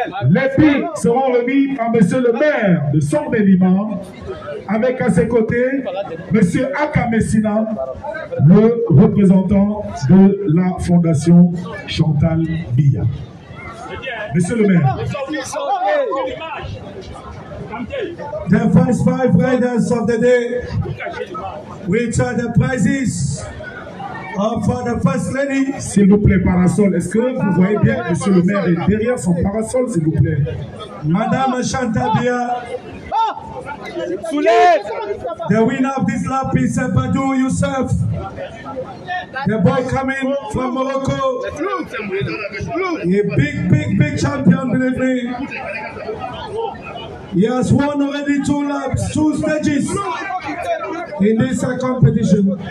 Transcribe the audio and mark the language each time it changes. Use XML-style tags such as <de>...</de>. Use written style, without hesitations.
<fr>Les prix seront remis par monsieur le maire de Sanmélima, avec à ses côtés monsieur Aka Messina, le représentant de la fondation Chantal Biya. Monsieur le maire.</fr> <en>The first five riders of the day, which are the prizes for the first lady.</en> <fr>S'il vous plaît, parasol, est-ce que vous voyez bien Monsieur le maire est derrière son parasol, s'il vous plaît. Madame Chantabia. Soulève.</fr> <en>The winner of this lap is Badou Youssef. The boy coming from Morocco. A big, big, big champion, believe me. He has won already two laps, two stages in this competition.</en>